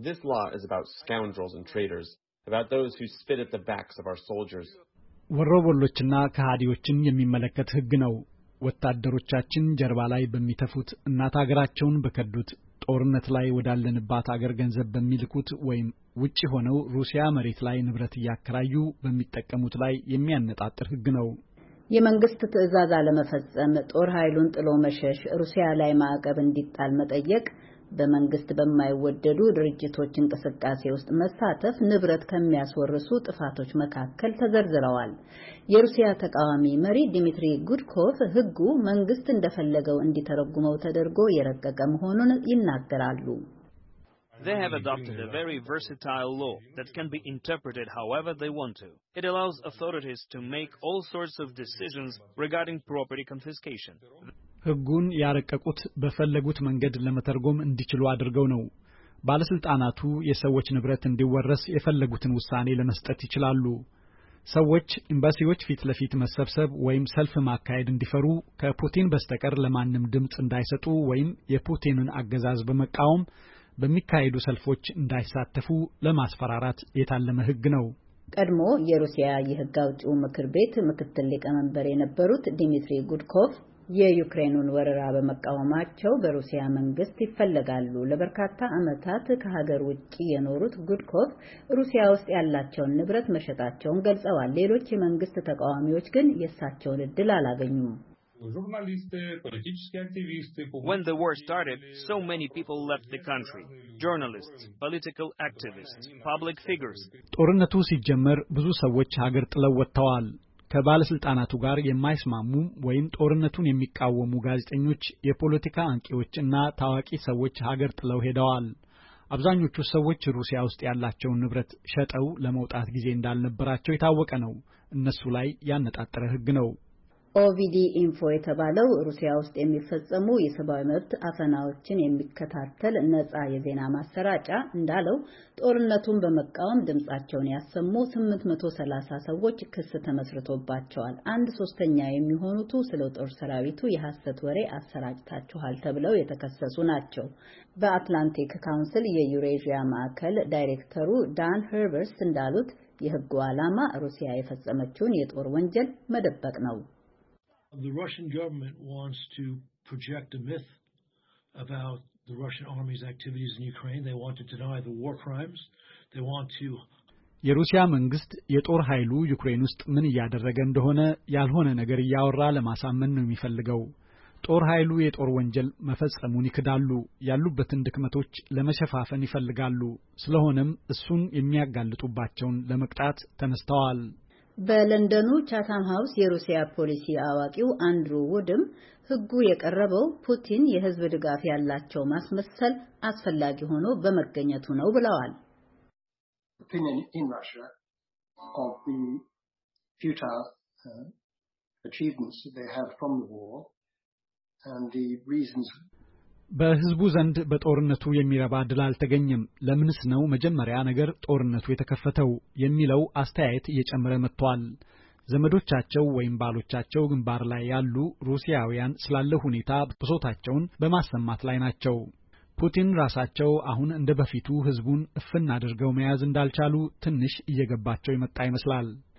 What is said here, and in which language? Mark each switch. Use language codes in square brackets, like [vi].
[en] This law is about scoundrels and traitors, about those who spit at the backs of our soldiers. [am] ወሮበሎችና ከሃዲዎችን የሚመለከት ህግ ነው። ወታደሮቻችን ጀርባ ላይ በሚተፉት እናት ሀገራቸውን በከዱት ጦርነት ላይ ወዳለንባት ሀገር ገንዘብ በሚልኩት ወይም ውጪ ሆነው ሩሲያ መሬት ላይ ንብረት ያከራዩ በሚጠቀሙት ላይ የሚያነጣጥር ህግ ነው። የመንግስት ትዕዛዝ አለመፈጸም፣ ጦር ኃይሉን ጥሎ መሸሽ፣ ሩሲያ ላይ ማዕቀብ እንዲጣል መጠየቅ፣ በመንግስት በማይወደዱ ድርጅቶች እንቅስቃሴ ውስጥ መሳተፍ ንብረት ከመያዝወርሱ ጥፋቶች መካከል ተዘርዝረዋል። የሩሲያ ተቃዋሚ መሪ ዲሚትሪ ጉድኮቭ ህጉ መንግስት እንደፈለገው እንዲተረጉመው ተደርጎ የረቀቀ መሆኑን ይናገራሉ። [en] They have adopted a very versatile law that can be interpreted however they want to. It allows authorities to make all sorts of decisions regarding property confiscation. [am] ህጉን ያረቀቁት በፈለጉት መንገድ ለመተርጎም እንዲችሉ አድርገው ነው። ባለስልጣናቱ የሰዎች ንብረት እንዲወረስ የፈለጉትን ውሳኔ ለመስጠት ይችላሉ። ሰዎች ኤምባሲዎች ፊት ለፊት መሰብሰብ ወይም ሰልፍ ማካሄድ እንዲፈሩ ከፑቲን በስተቀር ለማንም ድምጽ እንዳይሰጡ ወይም የፑቲንን አገዛዝ በመቃወም በሚካሄዱ ሰልፎች እንዳይሳተፉ ለማስፈራራት የታለመ ህግ ነው። ቀድሞ የሩሲያ የህግ አውጪው ምክር ቤት ምክትል ሊቀመንበር የነበሩት ዲሚትሪ ጉድኮቭ የዩክሬኑን ወረራ በመቃወማቸው በሩሲያ መንግስት ይፈለጋሉ። ለበርካታ አመታት ከሀገር ውጪ የኖሩት ጉድኮቭ ሩሲያ ውስጥ ያላቸውን ንብረት መሸጣቸውን ገልጸዋል። ሌሎች የመንግስት ተቃዋሚዎች ግን የሳቸውን እድል አላገኙም። [en] When the war started, so many people left the country. Journalists, political activists, public figures. [am] ጦርነቱ ሲጀመር ብዙ ሰዎች ሀገር ጥለው ወጥተዋል። ከባለስልጣናቱ ጋር የማይስማሙ ወይም ጦርነቱን የሚቃወሙ ጋዜጠኞች፣ የፖለቲካ አንቂዎች እና ታዋቂ ሰዎች ሀገር ጥለው ሄደዋል። አብዛኞቹ ሰዎች ሩሲያ ውስጥ ያላቸውን ንብረት ሸጠው ለመውጣት ጊዜ እንዳልነበራቸው የታወቀ ነው። እነሱ ላይ ያነጣጠረ ህግ ነው። ኦቪዲ ኢንፎ የተባለው ሩሲያ ውስጥ የሚፈጸሙ የሰብአዊ መብት አፈናዎችን የሚከታተል ነጻ የዜና ማሰራጫ እንዳለው ጦርነቱን በመቃወም ድምጻቸውን ያሰሙ 830 ሰዎች ክስ ተመስርቶባቸዋል። 1/3 የሚሆኑት ስለ ጦር ሰራዊቱ የሐሰት ወሬ አሰራጭታችኋል ተብለው የተከሰሱ ናቸው። በአትላንቲክ ካውንስል የዩሬዥያ ማዕከል ዳይሬክተሩ ዳን ሄርበርስ እንዳሉት የህግ ዓላማ ሩሲያ የፈጸመችውን የጦር ወንጀል መደበቅ ነው። [en] The Russian government wants to project a myth about the Russian army's activities in Ukraine. They want to deny the war crimes. They want to [am] የሩሲያ መንግስት የጦር ኃይሉ ዩክሬን ውስጥ ምን ያደረገ እንደሆነ ያልሆነ ነገር ያወራ ለማሳመን ነው የሚፈልገው። ጦር ኃይሉ የጦር ወንጀል መፈጸሙን ይክዳሉ። ያሉበትን ድክመቶች ለመሸፋፈን ይፈልጋሉ። ስለሆነም እሱን የሚያጋልጡባቸውን ለመቅጣት ተነስተዋል። በለንደኑ ቻታም ሃውስ የሩሲያ ፖሊሲ አዋቂው አንድሩ ውድም ህጉ የቀረበው ፑቲን የህዝብ ድጋፍ ያላቸው ማስመሰል አስፈልጊ ሆኖ በመገኘቱ ነው ብለዋል። [en] Opinion in Russia of the futile achievements that they have from the war and the reasons [am] በህዝቡ ዘንድ በጦርነቱ የሚረባ ድል አልተገኘም። ለምንስ ነው መጀመሪያ ነገር ጦርነቱ የተከፈተው የሚለው አስተያየት እየጨመረ መጥቷል። ዘመዶቻቸው ወይም ባሎቻቸው ግንባር ላይ ያሉ ሩሲያውያን ስላለው ሁኔታ ብሶታቸውን በማሰማት ላይ ናቸው። ፑቲን ራሳቸው አሁን እንደበፊቱ ህዝቡን እፍና አድርገው መያዝ እንዳልቻሉ ትንሽ እየገባቸው ይመጣ ይመስላል።